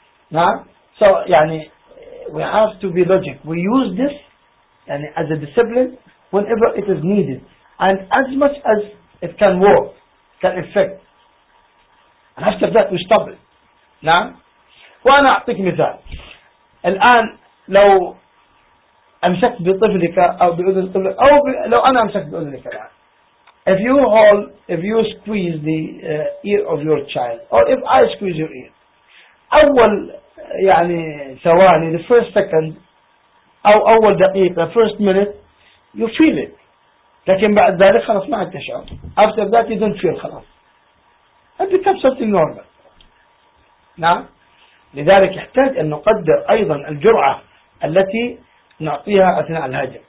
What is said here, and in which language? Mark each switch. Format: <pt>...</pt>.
<en>Nah? So, we have to be logic. We use this as a discipline whenever it is needed and as much as it can work, can affect. And after that, we stop it.</en> <ar>Nah? وأنا أعطيك مثال. الآن لو أمسكت بطفلك أو بأذن طفلك أو لو أنا أمسكت بأذنك الآن.</ar> <en>If you hold, if you squeeze the ear of your child, or if I squeeze your ear,</en> <ar>أول ثواني,</ar> <en>the first second,</en> <ar>أو أول دقيقة,</ar> <en>the first minute, you feel it.</en> <ar>لكن بعد ذلك خلاص ما عاد تشعر.</ar> <en>After that you don't feel خلاص. It becomes something normal.</en> <ar>نعم. لذلك يحتاج أن نقدر أيضا الجرعة التي نعطيها أثناء الهجر.</ar>